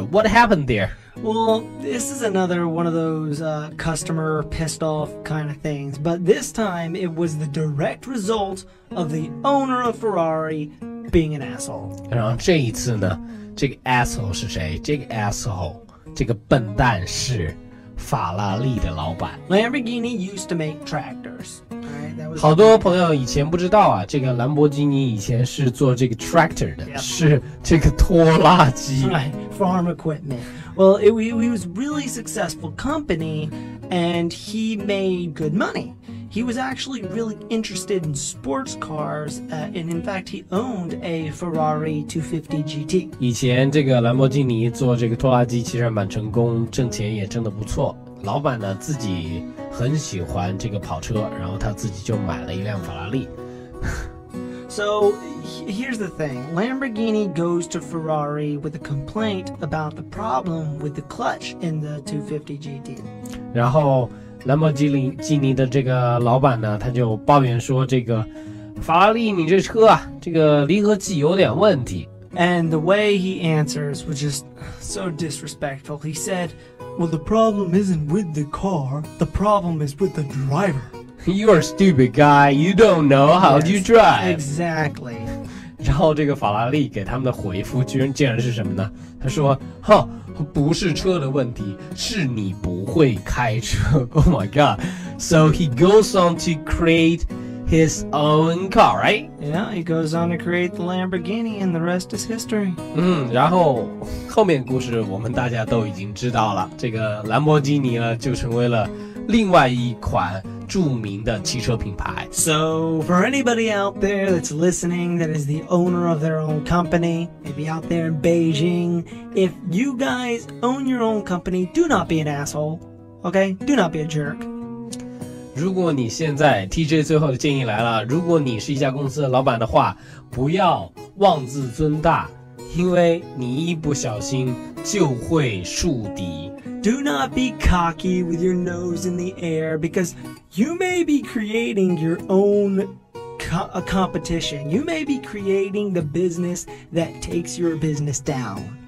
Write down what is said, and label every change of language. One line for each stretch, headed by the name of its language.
English: What happened there? Well, this is another one of those, customer pissed off kind of things, but this time it was the direct result of the owner of Ferrari being an asshole.
Chinese: 然后这一次呢，这个 asshole 是谁？这个 asshole， 这个笨蛋是法拉利的老板。
English: Lamborghini used to make tractors. Right,
Chinese: 好多朋友以前不知道啊，这个兰博基尼以前是做这个 tractor 的，
English: yep.
Chinese: 是这个拖拉机。
English: Right, farm equipment. Well, he was a really successful company, and he made good money. He was actually really interested in sports cars, and in fact, he owned a Ferrari 250 GT.
Chinese: 以前这个兰博基尼做这个拖拉机其实蛮成功，挣钱也挣得不错。老板呢自己很喜欢这个跑车，然后他自己就买了一辆法拉利。
English: So here's the thing. Lamborghini goes to Ferrari with a complaint about the problem with the clutch in the 250 GT.
Chinese: 然后兰博基尼的这个老板呢，他就抱怨说这个法拉利你这车啊，这个离合器有点问题。
English: And the way he answers was just so disrespectful. He said, well, the problem isn't with the car. The problem is with the driver. You're a stupid guy. You don't know how yes, you drive. Exactly.
Chinese: 然后这个法拉利给他们的回复竟然是什么呢？他说，哼，不是车的问题，是你不会开车。
English: Oh my God. So he goes on to create... His own car, right? Yeah, he goes on to create the Lamborghini and the rest is history.
Chinese: 然后后面故事我们大家都已经知道了，这个兰博基尼呢就成为了另外一款著名的汽车品牌。
English: So for anybody out there that's listening that is the owner of their own company, maybe out there in Beijing, if you guys own your own company, do not be an asshole, okay? Do not be a jerk.
Chinese: 如果你现在 TJ 最后的建议来了，如果你是一家公司的老板的话，不要妄自尊大，因为你一不小心就会树敌。
English: Do not be cocky with your nose in the air because you may be creating your own competition. You may be creating the business that takes your business down.